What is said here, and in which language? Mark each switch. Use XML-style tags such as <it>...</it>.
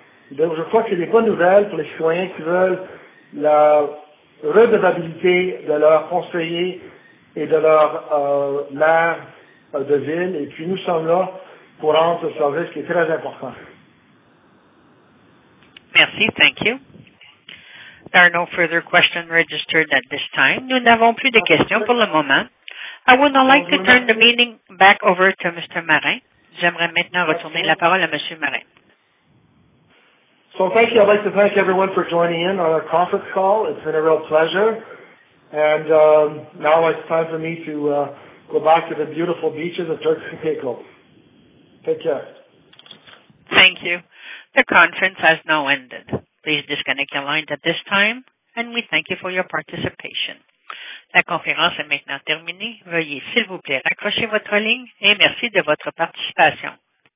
<fr>Donc, je crois que c'est des bonnes nouvelles pour les citoyens qui veulent la redevabilité de leurs conseillers et de leurs maires de ville. Et puis, nous sommes là pour rendre ce service qui est très important. Merci.</fr> <en>Thank you. There are no further questions registered at this time.</en> <fr>Nous n'avons plus de questions pour le moment.</fr> <en>I would now like to turn the meeting back over to Mr. Marin.</en> <fr>J'aimerais maintenant retourner la parole à Monsieur Marin.</fr> <en>So thank you. I'd like to thank everyone for joining in on our conference call. It's been a real pleasure. And now it's time for me to go back to the beautiful beaches of Turks and Caicos. Take care. Thank you. The conference has now ended. Please disconnect your lines at this time, and we thank you for your participation.</en> <fr>La conférence est maintenant terminée. Veuillez, s'il vous plaît, raccrocher votre ligne et merci de votre participation.</fr>